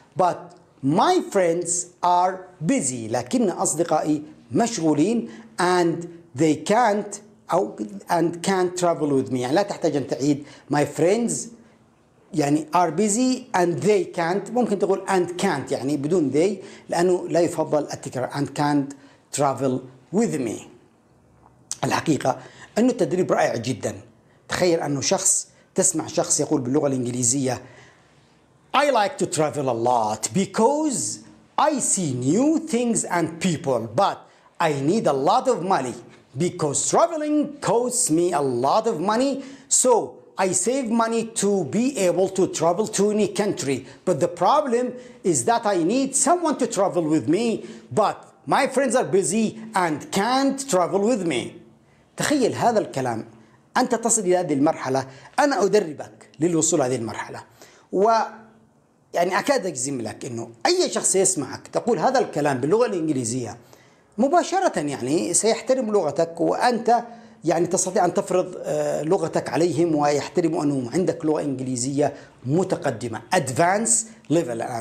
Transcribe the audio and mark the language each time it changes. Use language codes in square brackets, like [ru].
[en] but my friends are busy، [ar] لكن أصدقائي مشغولين، [en] and they can't، أو and can't travel with me، [ar] يعني لا تحتاج أن تعيد [en] my friends، يعني are busy and they can't، [ar] ممكن تقول [en] and can't يعني بدون they، [ar] لأنه لا يفضل التكرار [en] and can't travel with me. [ar] الحقيقة أنه التدريب رائع جدا. تخيل أنه شخص، تسمع شخص يقول باللغة الإنجليزية [en] I like to travel a lot because I see new things and people but I need a lot of money because traveling costs me a lot of money so I save money to be able to travel to any country but the problem is that I need someone to travel with me but my friends are busy and can't travel with me. [ar] تخيل هذا الكلام، أنت تصل إلى هذه المرحلة، أنا أدربك للوصول إلى هذه المرحلة، ويعني أكاد أجزم لك إنه أي شخص يسمعك تقول هذا الكلام باللغة الإنجليزية مباشرة يعني سيحترم لغتك، وأنت يعني تستطيع أن تفرض لغتك عليهم ويحترموا أنهم عندك لغة إنجليزية متقدمة [en] advanced level.